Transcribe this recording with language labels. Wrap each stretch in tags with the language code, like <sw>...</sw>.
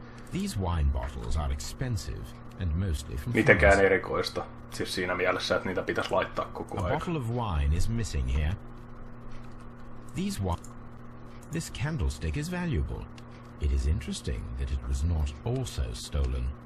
<en>These wine bottles are expensive and mostly from</en> <fi>mitenkään erikoista. Siis siinä mielessä, että niitä pitäisi laittaa koko ajan.</fi> <en>A bottle of wine is missing here. These wine... This candlestick is valuable. It is interesting that it was not also stolen.</en>